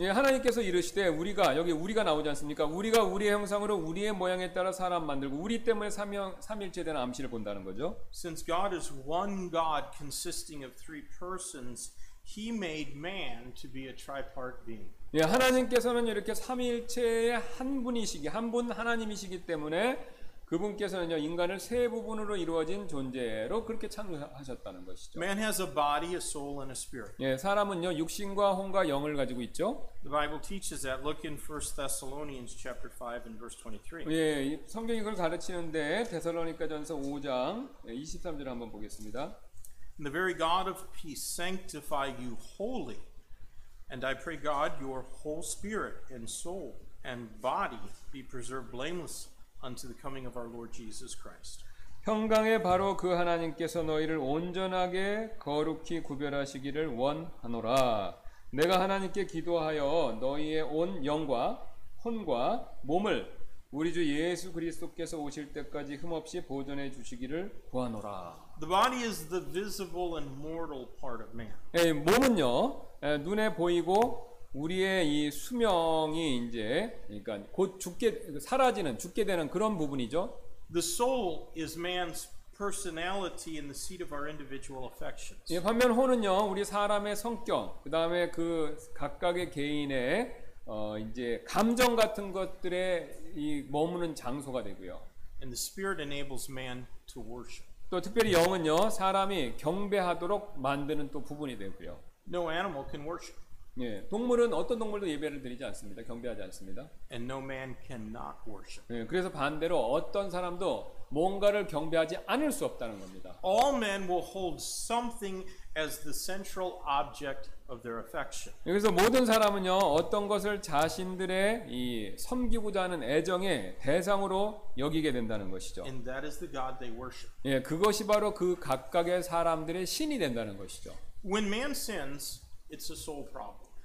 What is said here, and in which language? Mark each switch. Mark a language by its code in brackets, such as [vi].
[ko] 예, 하나님께서 이르시되 우리가 여기 우리가 나오지 않습니까? 우리가 우리의 형상으로 우리의 모양에 따라 사람 만들고 우리 때문에 삼위일체 된 암시를 본다는 거죠. [en] Since God is one God consisting of three persons, He made man to be a tripart being. [ko] 예, 하나님께서는 이렇게 삼위일체의 한 분이시기 한분 하나님이시기 때문에 그분께서는요 인간을 세 부분으로 이루어진 존재로 그렇게 창조하셨다는 것이죠. [en] Man has a body, a soul, and a spirit. [ko] 예, 사람은요 육신과 혼과 영을 가지고 있죠. [en] The Bible teaches that. Look in 1 Thessalonians chapter 5 and verse 23. [ko] 예, 성경이 그걸 가르치는데 데살로니가전서 5장 23절 한번 보겠습니다. [en] The very God of peace sanctify you wholly, and I pray God your whole spirit and soul and body be preserved blameless. Unto the coming of our Lord Jesus Christ. [ko] 평강의 바로 그 하나님께서 너희를 온전하게 거룩히 구별하시기를 원하노라. 내가 하나님께 기도하여 너희의 온 영과 혼과 몸을 우리 주 예수 그리스도께서 오실 때까지 흠없이 보존해 주시기를 구하노라. [en] The body is the visible and mortal part of man. [ko] 예, 몸은요 예, 눈에 보이고 우리의 이 수명이 이제 그러니까 곧 죽게 사라지는 죽게 되는 그런 부분이죠. [en] The soul is man's personality and the seat of our individual affections. [ko] 예, 반면 혼은요, 우리 사람의 성격, 그다음에 그 각각의 개인의 이제 감정 같은 것들의 이 머무는 장소가 되고요. [en] And the spirit enables man to worship. [ko] 또 특별히 영은요, 사람이 경배하도록 만드는 또 부분이 되고요. [en] No animal can worship. [ko] 예, 동물은 어떤 동물도 예배를 드리지 않습니다. 경배하지 않습니다. [en] And no man cannot worship. [ko] 예, 그래서 반대로 어떤 사람도 뭔가를 경배하지 않을 수 없다는 겁니다. [en] All men will hold something as the central object of their affection. [ko] 그래서 모든 사람은요, 어떤 것을 자신들의 이 섬기고자 하는 애정의 대상으로 여기게 된다는 것이죠. [en] And that is the God they worship. [ko] 예, 그것이 바로 그 각각의 사람들의 신이 된다는 것이죠. [en] When man sins, It's a soul problem.